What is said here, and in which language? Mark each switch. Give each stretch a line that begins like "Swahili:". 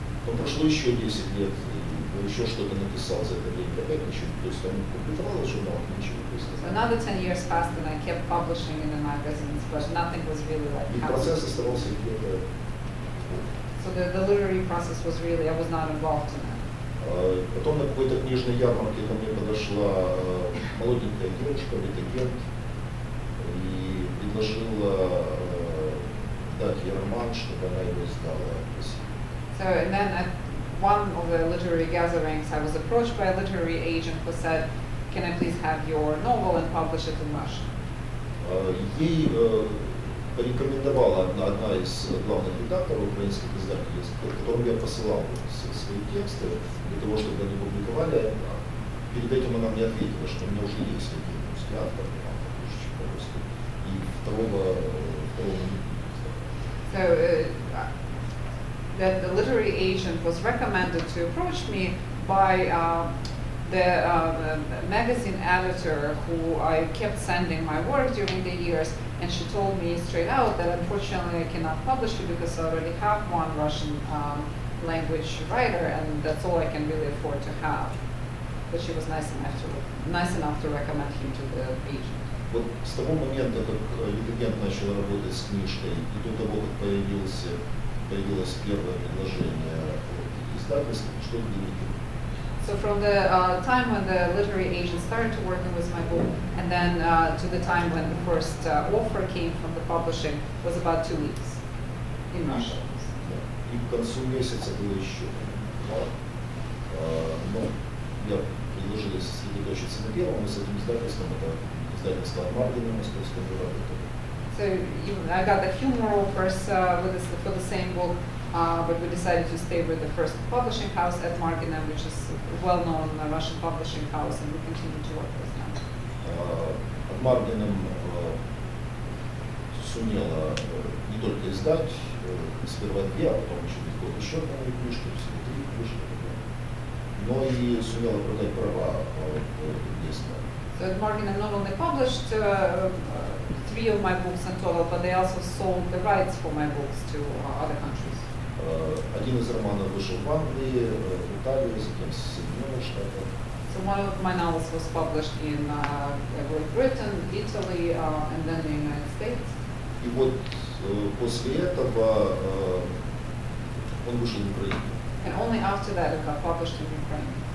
Russian: Но прошло еще 10 лет, еще что-то написал за это время, опять ничего, то есть он публиковал журнал, ничего не писал.
English: Another 10 years passed, and I kept publishing in the magazines, but nothing was really like happening.
Russian: И процесс оставался где-то...
English: So the literary process was really, I was not involved in it.
Russian: Потом на какой-то книжной ярмарке ко мне подошла молоденькая девочка, литагент, и предложила дать ей роман, чтобы она его издала.
English: So, and then at one of the literary gatherings, I was approached by a literary agent who said, can I please have your novel and publish it in Russia?
Russian: Ей порекомендовала одна из главных редакторов украинских издательств, которым я посылал свои тексты для того, чтобы они публиковали. Перед этим она мне ответила, что у меня уже есть один русский автор, пишущий по-русски, и второго не будет.
English: That the literary agent was recommended to approach me by the magazine editor who I kept sending my work during the years, and she told me straight out that unfortunately I cannot publish it because I already have one Russian language writer and that's all I can really afford to have. But she was nice enough to recommend him to the agent.
Russian: Вот с того момента, как литагент начал работать с книжкой, и до того, как появилось первое предложение издательства, что изменилось?
English: So from the time when the literary agent started to work with my book, and then to the time when the first offer came from the publishing, was about 2 weeks in Russia.
Russian: И к концу месяца было еще два. Но я предложил сосредоточиться на первом, с этим издательством, это издательство «Маргина» московского бюро.
English: So I got a few more offers for the same book, but we decided to stay with the first publishing house at Markina, which is a well-known Russian publishing house, and we continue to work with them.
Russian: At Markina, сумела не только издать сперва две, а потом еще одну книжку, все три книжки, но и сумела продать права местно.
English: So at Markina not only published three of my books in total, but they also sold the rights for my books to other countries.
Russian: Один из романов вышел в Англии, в Италии, затем в Соединенных Штатах.
English: So one of my novels was published in Great Britain, Italy, and then the United States.
Russian: И вот после этого он вышел в Украину.
English: And only after that it got published in Ukraine.